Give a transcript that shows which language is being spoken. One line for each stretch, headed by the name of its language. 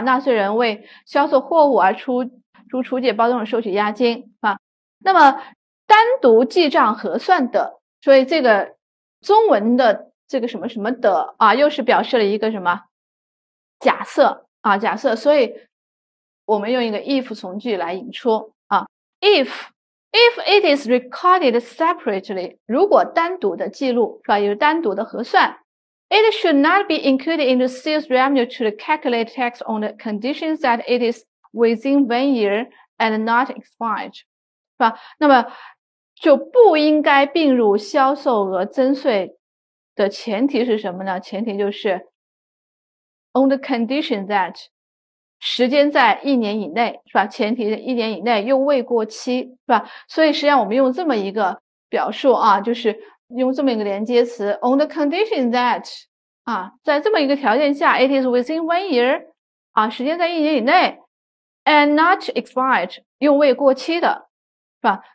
Chinese: 纳税人为销售货物而出租、出借包装物收取押金啊。那么单独记账核算的，所以这个中文的这个什么什么的啊，又是表示了一个什么假设。啊，假设，所以我们用一个 if 从句来引出啊。
English: If it is recorded separately,
Chinese: 如果单独的记录是吧，有单独的核算
English: ，it should not be included in the sales revenue to calculate tax on the conditions that it is within 1 year and not expired,
Chinese: 是吧？那么就不应该并入销售额征税的前提是什么呢？前提就是。
English: On the condition that
Chinese: 时间在一年以内是吧？前提一年以内又未过期是吧？所以实际上我们用这么一个表述啊，就是用这么一个连接词
English: On the condition that
Chinese: 啊，在这么一个条件下
English: It is within 1 year
Chinese: 啊，时间在一年以内
English: And not expired
Chinese: 又未过期的是吧？